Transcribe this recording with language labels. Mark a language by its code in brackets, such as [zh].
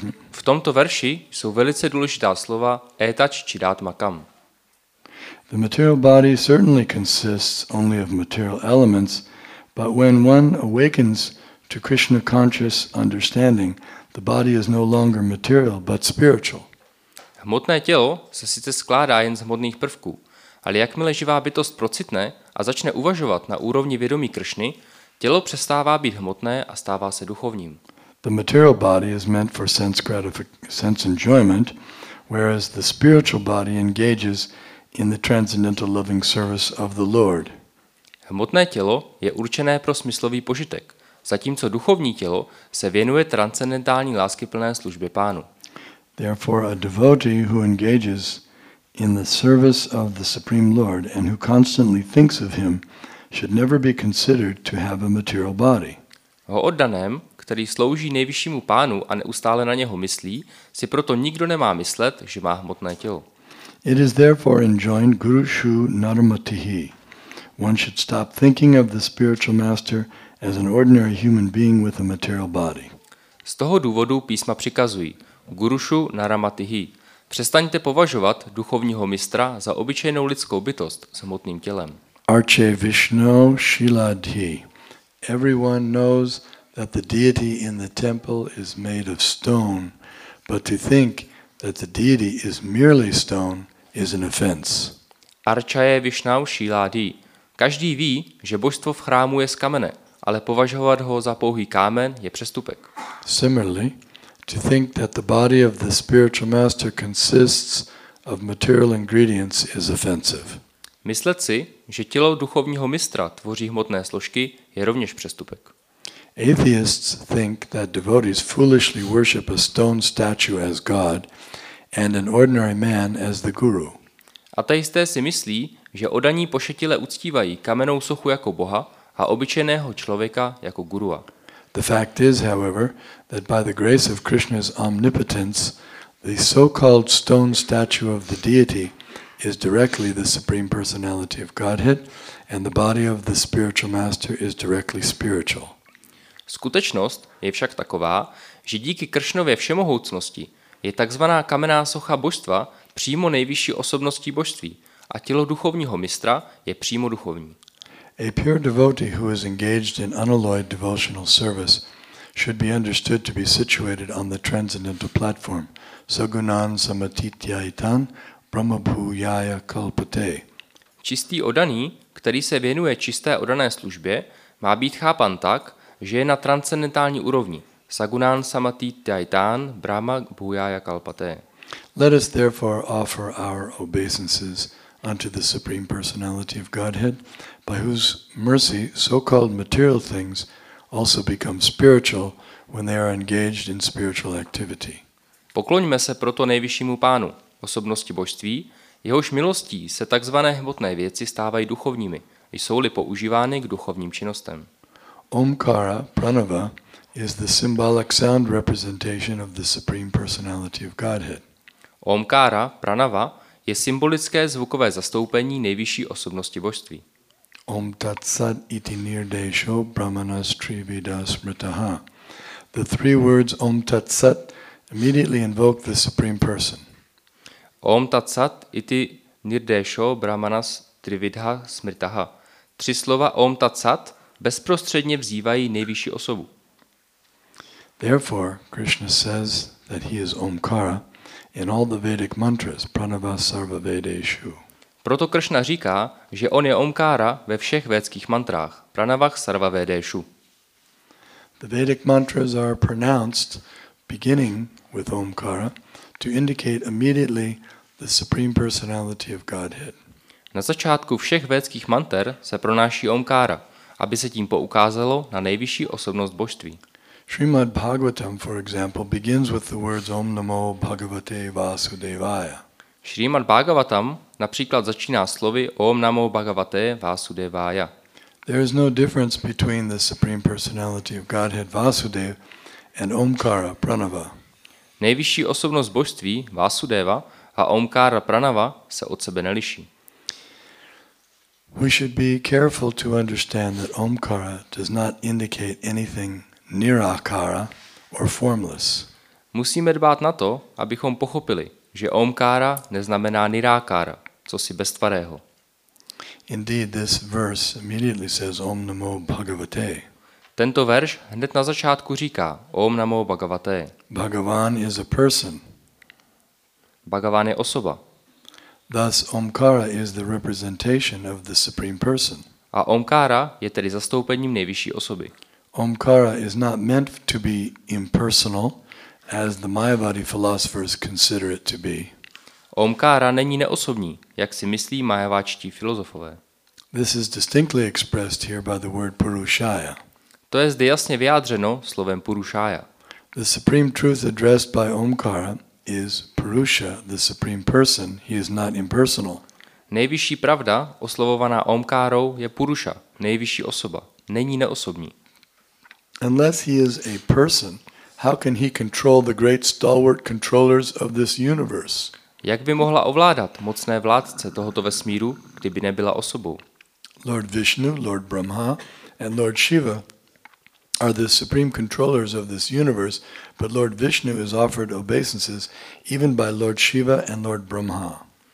[cs] V tomto verši jsou velice důležitá slova [sa] "etach chit atmakam". [en] The material body certainly consists only of material elements, but when one awakens to Krishna conscious understanding, the body is no longer material but spiritual. [cs] Hmotné tělo se sice skládá jen z hmotných prvků. Ale jakmile živá bytost procitne a začne uvažovat na úrovni vědomí Kršny, tělo přestává být hmotné a stává se duchovním. [en] The material body is meant for sense sense enjoyment, whereas the spiritual body engages in the transcendental loving service of the Lord. [cs] Hmotné tělo je určené pro smyslový požitek, zatímco duchovní tělo se věnuje transcendentální láskyplné službě Pánu. [en] Therefore a devotee who engages in the service of the Supreme Lord and who constantly thinks of him should never be considered to have a material body. [cs] O oddaném, který slouží nejvyššímu pánu a neustále na něho myslí, si proto nikdo nemá myslet, že má hmotné tělo. [en] It is therefore enjoined [sa] guru shu narmatihi. [en] One should stop thinking of the spiritual master as an ordinary human being with a material body. [cs] Z toho důvodu písma přikazují [sa] guru shu narmatihi. [cs] Přestaňte považovat duchovního mistra za obyčejnou lidskou bytost s hmotným tělem. [sa] Arche Vishnu Shiladhi. [en] Everyone knows that the deity in the temple is made of stone, but to think that the deity is merely stone is an offense. [sa] Arche Vishnu Shiladhi. [cs] Každý ví, že božstvo v chrámu je z kamene, ale považovat ho za pouhý kámen je přestupek. [en] Similarly, to think that the body of the spiritual master consists of material ingredients is offensive. [cs] Myslet si, že tělo duchovního mistra tvoří hmotné složky, je rovněž přestupek. [en] Atheists think that devotees foolishly worship a stone statue as God and an ordinary man as the guru. [cs] Ateisté si myslí, že oddaní pošetile uctívají kamennou sochu jako boha a obyčejného člověka jako gurua. [en] The fact is, however, that by the grace of Krishna's omnipotence, the so-called stone statue of the deity is directly the Supreme Personality of Godhead, and the body of the spiritual master is directly spiritual. [cs] Skutečnost je však taková, že díky Kršnově všemohoucnosti je takzvaná kamenná socha božstva přímo nejvyšší osobností božství a tělo duchovního mistra je přímo duchovní. [en] A pure devotee who is engaged in unalloyed devotional service should be understood to be situated on the transcendental platform, [sa] sagunan samatityaitan brahmabhuyaya kalpate. [cs] Čistý oddaný, který se věnuje čisté oddané službě, má být chápan tak, že je na transcendentální úrovni, [sa] sagunan samatityaitan brahmabhuyaya kalpate. [en] Let us therefore offer our obeisances unto the Supreme Personality of Godhead, by whose mercy so-called material things also become spiritual when they are engaged in spiritual activity. [cs] Pokloňme se proto nejvyššímu pánu, osobnosti božství, jehož milostí se takzvané hmotné věci stávají duchovními, jsou-li používány k duchovním činnostem. [en] Omkara, pranava, is the symbolic sound representation of the Supreme Personality of Godhead. [cs] Omkara, pranava, je symbolické zvukové zastoupení nejvyšší osobnosti božství. [sa] Om tat sat iti nirdesho brahmanas trivida smritaha. [en] The three words [sa] om tat sat [en] immediately invoke the Supreme Person. [sa] Om tat sat iti nirdesho brahmanas trividha smritaha. [cs] Tři slova [sa] om tat sat [cs] bezprostředně vzývají nejvyšší osobu. [en] Therefore, Krishna says that he is Omkara in all the Vedic mantras, [sa] pranava sarva vedeshu. [cs] Proto Krishna říká, že on je Omkara ve všech védských mantrách, [sa] pranavah sarva vedeshu. [en] The Vedic mantras are pronounced beginning with Omkara to indicate immediately the Supreme Personality of Godhead. [cs] Na začátku všech védských manter se pronáší Omkara, aby se tím poukázalo na nejvyšší osobnost božství. [en] Srimad Bhagavatam, for example, begins with the words [sa] Om Namo Bhagavate Vasudevaya. [cs] Srimad Bhagavatam například začíná slovy [sa] Om Namo Bhagavate Vasudevaya. [en] There is no difference between the Supreme Personality of Godhead Vasudev and Omkara Pranava. [cs] Nejvyšší osobnost božství Vasudeva a Omkara Pranava se od sebe neliší. [en] We should be careful to understand that Omkara does not indicate anything nirakara or formless. [cs] Musíme dbát na to, abychom pochopili, že Omkara neznamená nirakara, cosi beztvarého. [en] Indeed, this verse immediately says [sa] Om Namo Bhagavate. [cs] Tento verš hned na začátku říká [sa] Om Namo Bhagavate. [en] Bhagavan is a person. [cs] Bhagavan je osoba. [en] Thus Omkara is the representation of the Supreme Person. [cs] A Omkara je tedy zastoupením nejvyšší osoby. [en] Omkara is not meant to be impersonal, as the Mayavadi philosophers consider it to be. [cs] Omkara není neosobní, jak si myslí mayavačtí filozofové. [en] This is distinctly expressed here by the word purushaya. [cs] To je zde jasně vyjádřeno slovem purushaya. [en] The supreme truth addressed by Omkara is purusha, the supreme person. He is not impersonal. [cs] Nejvyšší pravda oslovovaná Omkárou je purusha, nejvyšší osoba. Není neosobní. [en] Unless he is a person, how can he control the great stalwart controllers of this universe? [cs] Jak by mohla ovládat mocné vládce tohoto vesmíru, kdyby nebyla osobou? [en] Lord Vishnu, Lord Brahma, and Lord Shiva are the supreme controllers of this universe, but Lord Vishnu is offered obeisances even by Lord Shiva and Lord Brahma.